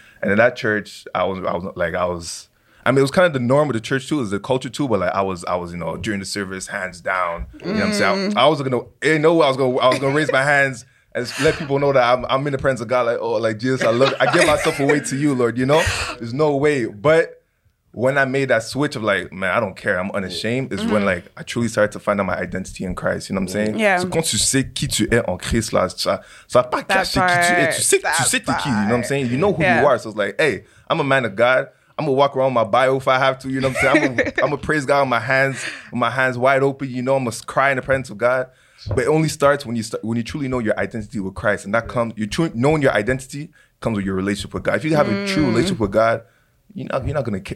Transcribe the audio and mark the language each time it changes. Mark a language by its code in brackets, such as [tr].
[en] And in that church, I mean, it was kind of the norm of the church too, it was the culture too, but like I was, you know, during the service, hands down. You know what I'm saying? I was gonna raise my hands and let people know that I'm in the presence of God. Like, oh, like Jesus, I give myself away to you, Lord. You know, there's no way. But when I made that switch of like, man, I don't care, I'm unashamed, is when like I truly started to find out my identity in Christ. You know what I'm saying? Yeah. [fr] So quand tu sais qui tu es en Christ là, ça ça pas caché qui tu es. Tu sais t'es qui. [en] You know what I'm saying? You know who you are. So it's like, hey, I'm a man of God. I'm gonna walk around with my Bible if I have to. You know what I'm saying? I'm gonna praise God with my hands wide open. You know, I'm gonna cry in the presence of God. But it only starts when you truly know your identity with Christ, and that comes. Knowing your identity comes with your relationship with God. If you have a true relationship with God, you're not gonna care.